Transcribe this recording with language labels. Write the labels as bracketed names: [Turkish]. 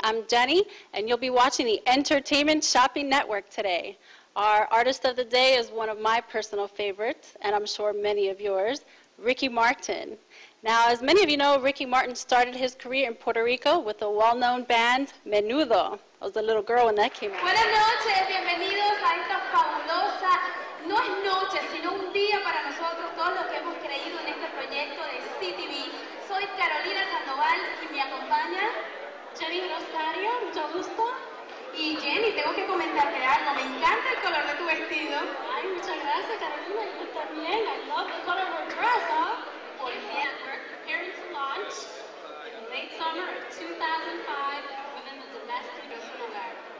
[English] I'm Jenny, and you'll be watching the Entertainment Shopping Network today. Our artist of the day is one of my personal favorites, and I'm sure many of yours, Ricky Martin. Now, as many of you know, Ricky Martin started his career in Puerto Rico with the well-known band Menudo. I was a little girl when that came out. [Spanish] Buenas noches, bienvenidos a esta fabulosa... No es noche, sino un día para nosotros, todos los que hemos creído en este proyecto de CTV. Soy Carolina Sandoval y me acompaña Jenny Rosario, mucho gusto. Y Jenny, tengo que comentarte algo, me encanta el color de tu vestido. Ay, muchas gracias, Carolina, y tú también. [English] I love the color of her dress, huh? Well, yeah, we're preparing to launch in the late summer of 2005 within the domestic sugar.